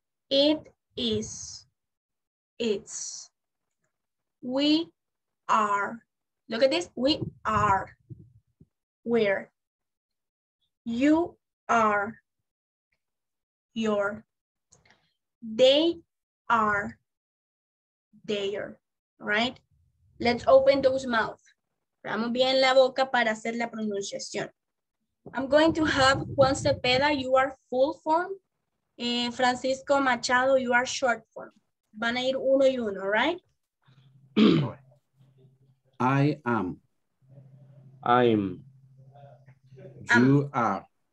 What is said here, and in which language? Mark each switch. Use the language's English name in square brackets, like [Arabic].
[English] it is, it's, we are, look at this, we are, we're, you are, your, they are, there, right? Let's open those mouths. [Spanish] Vamos bien la boca para hacer la pronunciación. [English] I'm going to have Juan Cepeda, you are full form, and Francisco Machado, you are short form. [Spanish] Van a ir uno y uno, right? [English] I am. I'm. You are.